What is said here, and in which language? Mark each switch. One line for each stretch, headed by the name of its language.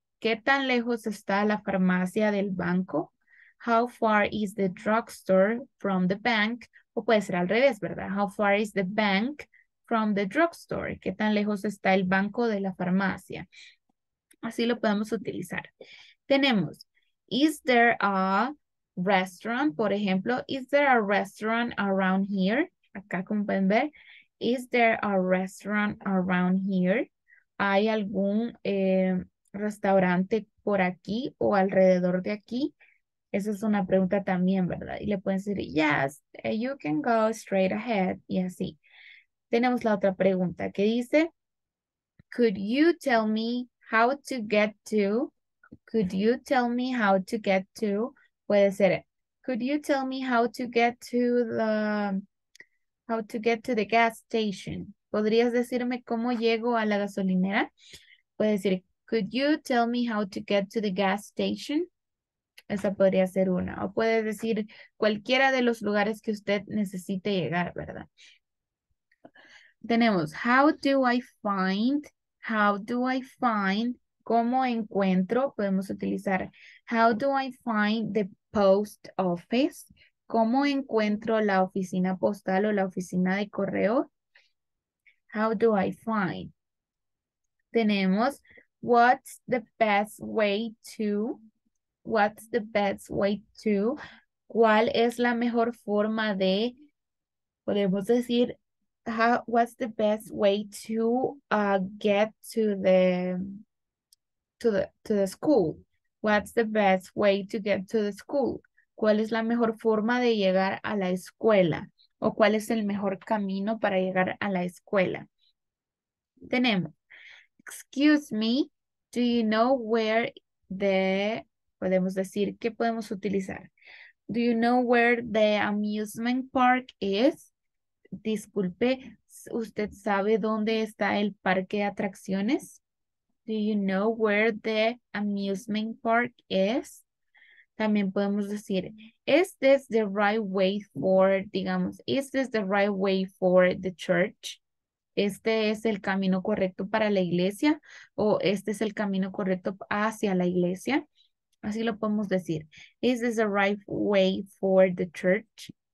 Spanish: ¿Qué tan lejos está la farmacia del banco?
English: How far is the drugstore from the bank?
Spanish: O puede ser al revés, ¿verdad?
English: How far is the bank from the drugstore?
Spanish: ¿Qué tan lejos está el banco de la farmacia? Así lo podemos utilizar. Tenemos,
English: is there a restaurant?
Spanish: Por ejemplo,
English: is there a restaurant around here?
Spanish: Acá, como pueden ver,
English: is there a restaurant around here?
Spanish: ¿Hay algún restaurante por aquí o alrededor de aquí? Esa es una pregunta también, ¿verdad? Y le pueden decir,
English: yes, you can go straight ahead,
Spanish: y así. Tenemos la otra pregunta que dice,
English: could you tell me how to get to, could you tell me how to get to,
Spanish: puede ser,
English: could you tell me how to get to the, how to get to the gas station?
Spanish: ¿Podrías decirme cómo llego a la gasolinera? Puede decir,
English: could you tell me how to get to the gas station?
Spanish: Esa podría ser una. O puede decir cualquiera de los lugares que usted necesite llegar, ¿verdad?
English: Tenemos, how do I find, how do I find,
Spanish: ¿cómo encuentro? Podemos utilizar,
English: how do I find the post office?
Spanish: ¿Cómo encuentro la oficina postal o la oficina de correo?
English: How do I find?
Spanish: Tenemos,
English: what's the best way to, what's the best way to,
Spanish: ¿cuál es la mejor forma de, podemos decir,
English: how, what's the best way to get to the, to the school? What's the best way to get to the school?
Spanish: ¿Cuál es la mejor forma de llegar a la escuela? ¿O cuál es el mejor camino para llegar a la escuela? Tenemos,
English: excuse me, do you know where the,
Spanish: podemos decir, ¿qué podemos utilizar?
English: Do you know where the amusement park is?
Spanish: Disculpe, ¿usted sabe dónde está el parque de atracciones?
English: Do you know where the amusement park is?
Spanish: También podemos decir,
English: is this the right way for,
Spanish: digamos,
English: is this the right way for the church?
Spanish: ¿Este es el camino correcto para la iglesia? ¿O este es el camino correcto hacia la iglesia? Así lo podemos decir.
English: Is this the right way for the church?